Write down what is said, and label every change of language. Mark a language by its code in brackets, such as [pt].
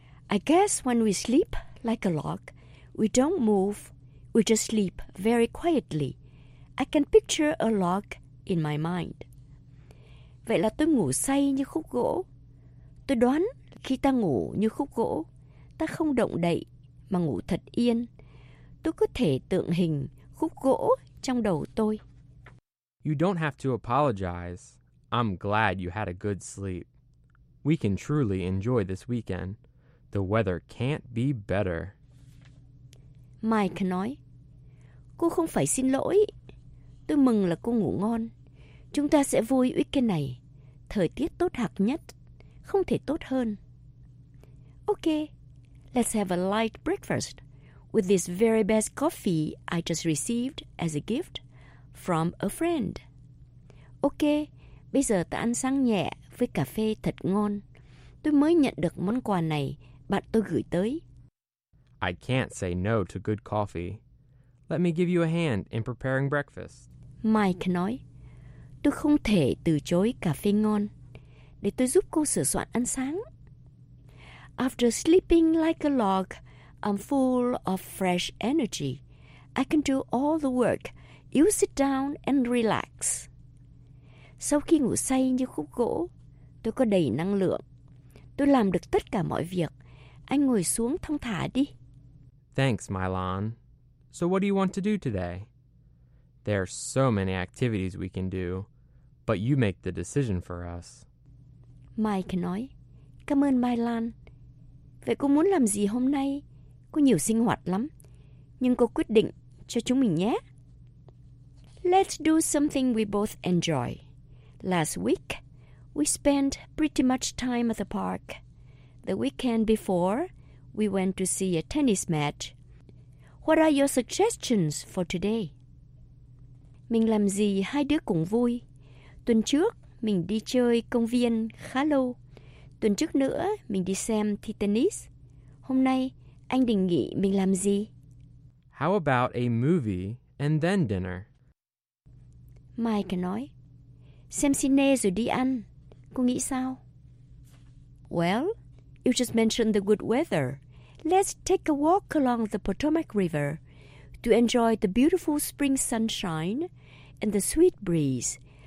[en] I guess when we sleep like a log, we don't move, we just sleep very quietly. I can picture a log in my mind. [vi] Vậy là tôi ngủ say như khúc gỗ. Tôi đoán khi ta ngủ như khúc gỗ, ta không động đậy mà ngủ thật yên. Tôi có thể tượng hình khúc gỗ trong đầu tôi. [en] You don't have to apologize. I'm glad you had a good sleep. We can truly enjoy this weekend. The weather can't be better. [vi] Mike nói, cô không phải xin lỗi. Tôi mừng là cô ngủ ngon. Chúng ta sẽ vui weekend này. Thời tiết tốt hạc nhất, không thể tốt hơn. [en] Okay, let's have a light breakfast with this very best coffee I just received as a gift from a friend. [vi] Okay, bây giờ ta ăn sáng nhẹ với cà phê thật ngon. Tôi mới nhận được món quà này bạn tôi gửi tới. [en] I can't say no to good coffee. Let me give you a hand in preparing breakfast. [vi] Mike nói, tôi không thể từ chối cà phê ngon. Để tôi giúp cô sửa soạn ăn sáng. [en] After sleeping like a log, I'm full of fresh energy. I can do all the work. You sit down and relax. [vi] Sau khi ngủ say như khúc gỗ, tôi có đầy năng lượng. Tôi làm được tất cả mọi việc. Anh ngồi xuống thong thả đi. [en] Thanks, Mylon. So what do you want to do today? There are so many activities we can do, but you make the decision for us. [vi] Mike nói, cảm ơn Mylon. Vậy cô muốn làm gì hôm nay? Có nhiều sinh hoạt lắm. Nhưng cô quyết định cho chúng mình nhé. [en] Let's do something we both enjoy. Last week, we spent pretty much time at the park. The weekend before, we went to see a tennis match. What are your suggestions for today? [vi] Mình làm gì hai đứa cũng vui. Tuần trước, mình đi chơi công viên khá lâu. Tuần trước nữa, mình đi xem thi tennis. Hôm nay, anh định nghĩ mình làm gì? [en] How about a movie and then dinner? [vi] Mike nói, xem cine rồi đi ăn. Cô nghĩ sao? [en] Well, you just mentioned the good weather. Let's take a walk along the Potomac River to enjoy the beautiful spring sunshine and the sweet breeze.